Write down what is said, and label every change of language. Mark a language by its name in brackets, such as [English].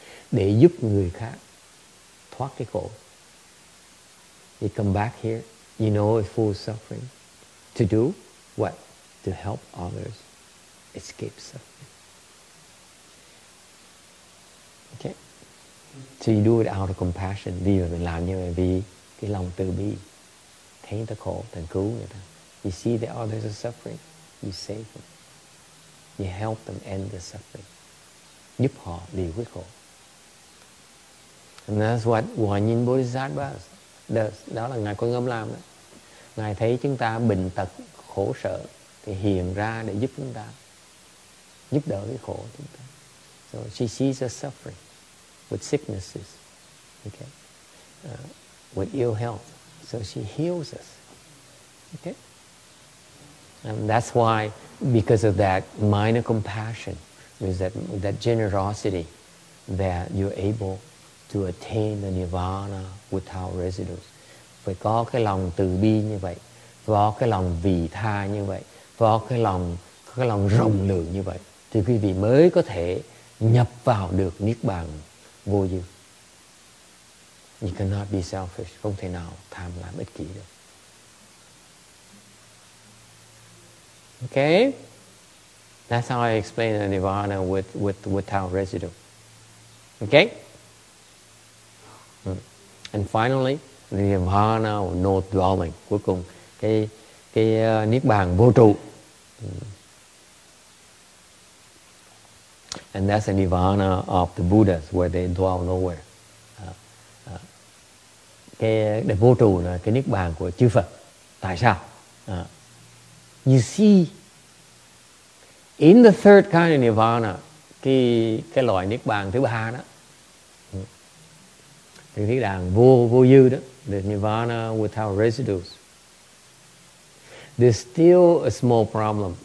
[Vietnamese] Để giúp người khác thoát cái khổ. [English] You come back here, you know it's full of suffering. To do what? To help others escape suffering. Okay? So you do it out of compassion. [Vietnamese] Vì mà mình làm như vậy, vì cái lòng từ bi. Thấy người ta khổ, thành cứu người ta. [English] You see that others are suffering, you save them. You help them end the suffering. [Vietnamese] Giúp họ đi khỏi khổ. [English] And that's what Hòa Nhìn Bodhisattva does. [Vietnamese] Đó là Ngài Quan Âm làm đó. Ngài thấy chúng ta bệnh tật, khổ sở, thì hiện ra để giúp chúng ta. Giúp đỡ cái khổ chúng ta. [English] So she sees us suffering with sicknesses, okay? With ill health. So she heals us. Okay? And that's why, because of that minor compassion, with that generosity, that you're able to attain the nirvana without residues. [Vietnamese] Phải có cái lòng từ bi như vậy, có cái lòng vị tha như vậy, có cái lòng rộng lượng như vậy, thì quý vị mới có thể nhập vào được niết bàn vô dư. [English] You cannot be selfish, [Vietnamese] không thể nào tham lam ích kỷ được. [English] Okay, that's how I explain the nirvana without residue. Okay, And finally, the nirvana of no dwelling. [Vietnamese] Cuối cùng, cái niết bàn vô trụ. [English] And that's the nirvana of the Buddhas, where they dwell nowhere. [Vietnamese] Cái vô trụ là cái niết bàn của chư Phật. Tại sao? [English] You see. In the third kind of nirvana, [Vietnamese] cái loại niết bàn thứ ba đó, thì thấy rằng vô dư đó, [English] the nirvana without residues, there's still a small problem.